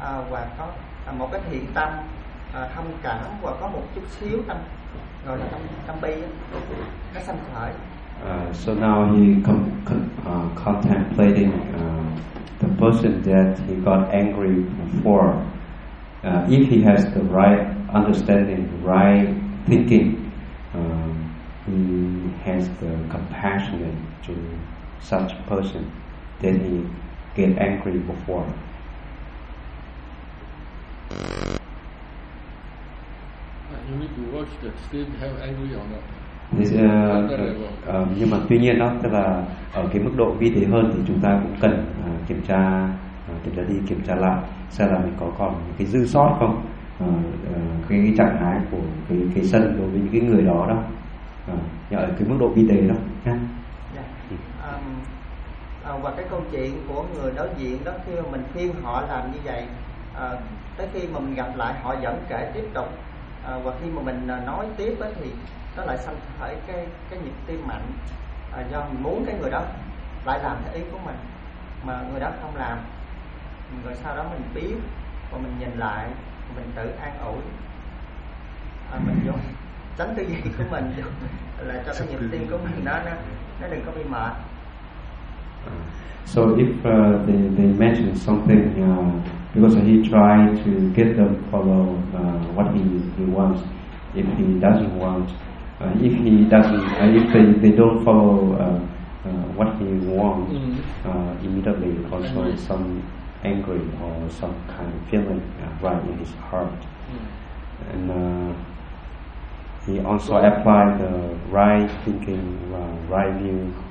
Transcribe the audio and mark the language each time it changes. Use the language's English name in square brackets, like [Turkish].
[Vietnamese] Và có một cái thiện tâm thông cảm và có một chút xíu tâm gọi là tâm bi nó sanh khởi. [English] So now he contemplating the person that he got angry before. If he has the right understanding, right thinking, he has the compassion to such person that he get angry before. You need to watch that still have angry or not. [Vietnamese] Nhưng mà tuy nhiên đó, tức là ở cái mức độ vi tế hơn thì chúng ta cũng cần kiểm tra lại xem là mình có còn cái dư sót không, cái trạng thái của cái sân đối với những cái người đó đó, ở cái mức độ vi tế đó nhé. Yeah. Và cái câu chuyện của người đối diện đó, khi mà mình khuyên họ làm như vậy, tới khi mà mình gặp lại họ vẫn kể tiếp tục, và khi mà mình nói tiếp đó thì nó lại sanh khởi cái nhịp tim mạnh, do mình muốn cái người đó lại làm theo ý của mình mà người đó không làm, rồi sau đó mình biết và mình nhìn lại, mình tự an ủi, mình vô tránh tư duy của mình vô là cho cái nhịp tim của mình đó nó đừng có bị mệt. [English] So if they mentioned something because he tried to get them follow what he wants, if he doesn't want, if he doesn't, if they don't follow what he wants, immediately also some angry or some kind of feeling right in his heart, and he also applied the right thinking, right view.